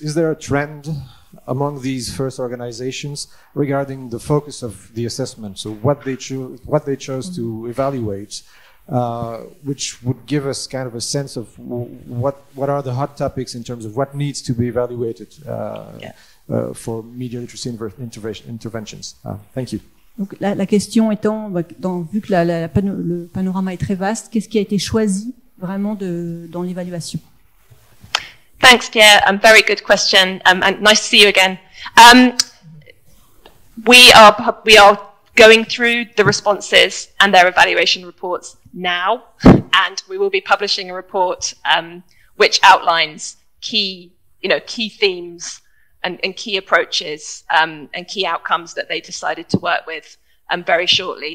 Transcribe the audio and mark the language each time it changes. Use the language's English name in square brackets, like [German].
[English] Is there a trend among these first organizations regarding the focus of the assessment, so what they chose to evaluate, which would give us kind of a sense of what are the hot topics in terms of what needs to be evaluated for media literacy interventions. Thank you. [French] Donc la question étant, vu que le panorama est très vaste, qu'est-ce qui a été choisi vraiment dans l'évaluation? [English] Thanks, Pierre. Very good question, and nice to see you again. We are going through the responses and their evaluation reports now, and we will be publishing a report which outlines key themes and key approaches and key outcomes that they decided to work with very shortly.